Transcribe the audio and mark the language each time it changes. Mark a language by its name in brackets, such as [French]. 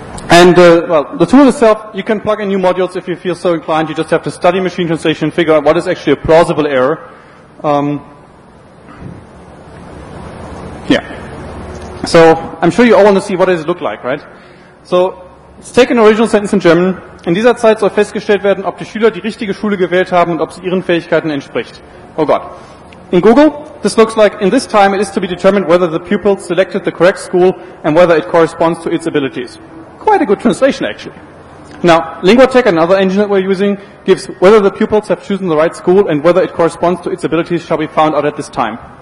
[English] And, well, the tool itself, you can plug in new modules if you feel so inclined. You just have to study machine translation, figure out what is actually a plausible error. So I'm sure you all want to see what does it look like, right? So let's take an original sentence in German. [German] In dieser Zeit soll festgestellt werden, ob die Schüler die richtige Schule gewählt haben und ob sie ihren Fähigkeiten entspricht. [English] Oh God. In Google, this looks like, in this time, it is to be determined whether the pupil selected the correct school and whether it corresponds to its abilities. Quite a good translation, actually. Now, LinguaTech, another engine that we're using, gives whether the pupils have chosen the right school and whether it corresponds to its abilities shall be found out at this time.